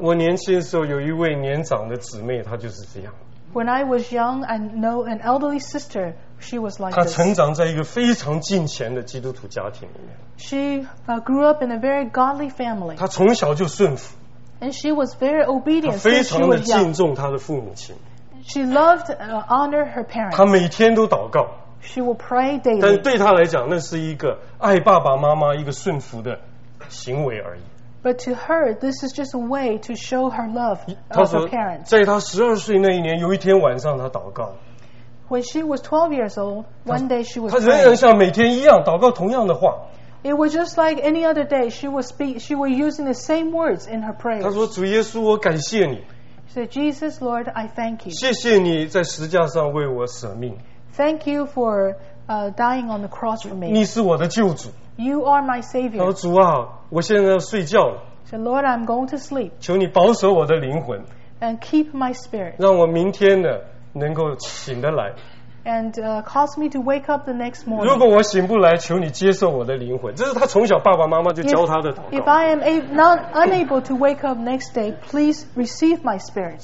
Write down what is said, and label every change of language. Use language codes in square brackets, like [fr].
[zh] 我年轻的时候有一位年长的姊妹，她就是这样。 [en] When I was young, I know an elderly sister. She was like this. [zh] 她成长在一个非常敬虔的基督徒家庭里面。 [en] She grew up in a very godly family. [zh] 她从小就顺服。 [en] And she was very obedient. [zh] 她非常的敬重她的父母亲。 [en] She loved honor her parents. [zh] 她每天都祷告。 [en] She will pray daily. [zh] 但对她来讲，那是一个爱爸爸妈妈一个顺服的行为而已。 [en] But to her, this is just a way to show her love of her parents. [zh] 在她十二岁那一年，有一天晚上她祷告。 [en] When she was 12 years old, one day she was. [zh] 她仍然像每天一样祷告同样的话。 [en] It was just like any other day. She was using the same words in her prayers. [zh] 她说：“主耶稣，我感谢你。” [en] She said, "Jesus, Lord, I thank you." [zh] 谢谢你在十字架上为我舍命。 [en] Thank you for dying on the cross for me. [zh] 你是我的救主。 [en] You are my savior. [zh] 他说：“主啊，我现在要睡觉了。” [en] So Lord, I'm going to sleep. [zh] 求你保守我的灵魂。 [en] And keep my spirit. [zh] 让我明天呢能够醒得来。 [en] And cause me to wake up the next morning. [zh] 如果我醒不来，求你接受我的灵魂。这是他从小爸爸妈妈就教他的祷告。 [en] If I am unable to wake up next day, please receive my spirit.